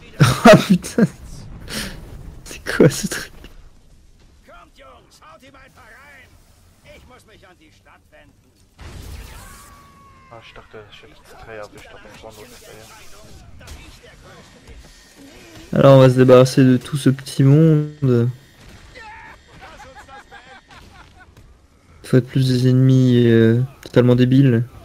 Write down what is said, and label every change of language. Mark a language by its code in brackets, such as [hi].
[fr] Ah putain, c'est quoi ce truc? [de] Kommt Jungs, haut ihm einfach rein! Ich muss mich an die Stadt wenden! Ah, ich dachte, ich hätte jetzt 3 erwischt, aber es war nur 2. [fr] Alors, on va se débarrasser de tout ce petit monde. Faut être plus des ennemis totalement débiles.